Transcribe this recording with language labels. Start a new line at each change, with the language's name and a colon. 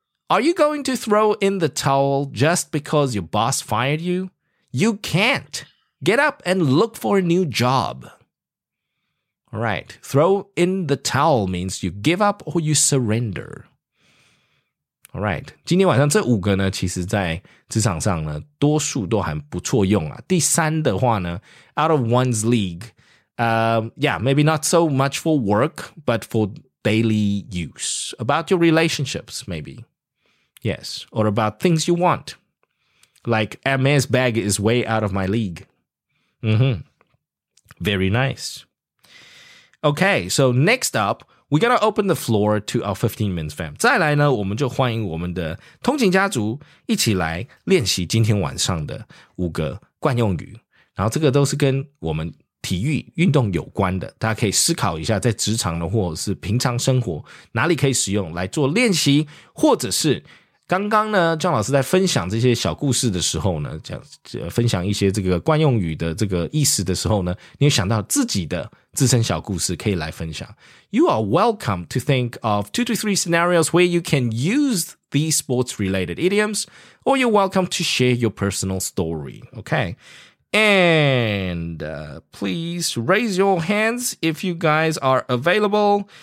English: Are you going to throw in the towel just because your boss fired you? You can't. Get up and look for a new job. All right. Throw in the towel means you give up or you surrender. All right.
Chinese: 今天晚上这五个呢，其实在职场上呢，多数都还不错用啊。第三的话呢 ，
English: out of one's league. Yeah, maybe not so much for work, but for daily use. About your relationships, maybe. Yes, or about things you want. Like, Hermes bag is way out of my league. Mm-hmm. Very nice. Okay, so next up, we're going to open the floor to our 15 minutes fam.
Chinese: 再来呢，我们就欢迎我们的通勤家族一起来练习今天晚上的五个惯用语。然后这个都是跟我们体育运动有关的，大家可以思考一下，在职场的或者是平常生活，哪里可以使用来做练习，或者是刚刚呢，姜老师在分享这些小故事的时候呢，讲分享一些这个惯用语的这个意思的时候呢，你有想到自己的自身小故事可以来分享。
English: You are welcome to think of 2 to 3 scenarios where you can use these sports related idioms, or you're welcome to share your personal story. Okay, and please raise your hands if you guys are available.